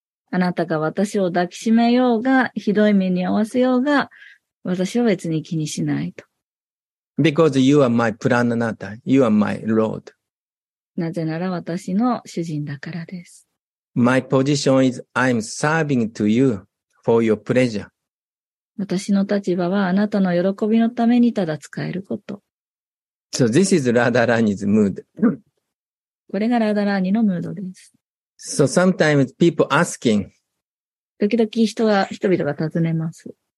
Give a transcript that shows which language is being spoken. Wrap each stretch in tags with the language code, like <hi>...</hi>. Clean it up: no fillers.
<ja>あなたが私を抱きしめようが、ひどい目に合わせようが、私は別に気にしないと。</ja> <en>Because you are my pranata. You are my lord.</en> <ja>なぜなら私の主人だからです。</ja> <en>My position is I'm serving to you for your pleasure.</en> <ja>私の立場はあなたの喜びのためにただ使えること。</ja> <en>So this is Radharani's mood.</en> <ja>これがラダラーニのムードです。</ja> <en>So sometimes people asking.</en> <ja>時々人々が尋ねます。</ja>